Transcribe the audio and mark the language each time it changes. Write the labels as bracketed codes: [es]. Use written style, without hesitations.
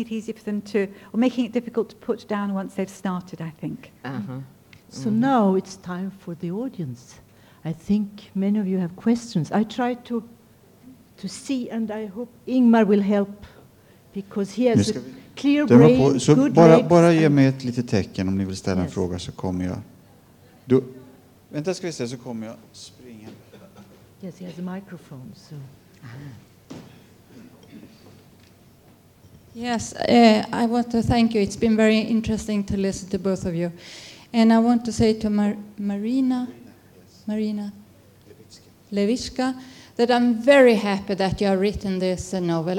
[en] it easy for them to, or making it difficult to put down once they've started, I think. Uh-huh. So mm-hmm. Now it's time for the audience. I think many of you have questions. I try to see, and I hope Ingmar will help, because he has a clear brain, good legs. [sv] Bara ge mig ett litet tecken om ni vill ställa en fråga, så kommer jag. Vänta, ska vi se, så kommer jag springa. [en] Yes, he has a microphone, so... Uh-huh. Yes, I want to thank you. It's been very interesting to listen to both of you. And I want to say to Marina Levitska, that I'm very happy that you have written this novel.